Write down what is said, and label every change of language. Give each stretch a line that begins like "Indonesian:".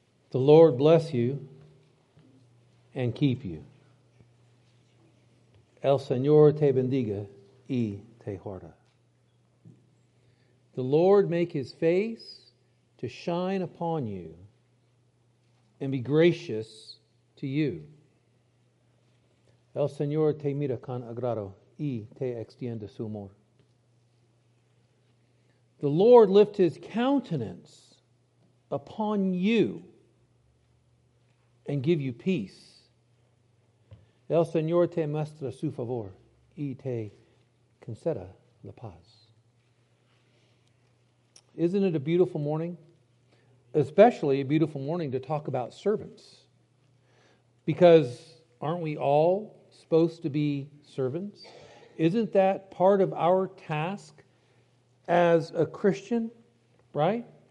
English: The Lord bless you and keep you.
Spanish: El Señor te bendiga y te guarda.
English: The Lord make his face to shine upon you and be gracious to you.
Spanish: El Señor te mira con agrado y te extiende su amor.
English: The Lord lift his countenance upon you and give you peace.
Spanish: El Señor te muestra su favor y te conceda la paz.
English: Isn't it a beautiful morning? Especially a beautiful morning to talk about servants. Because aren't we all supposed to be servants? Isn't that part of our task as a Christian, right?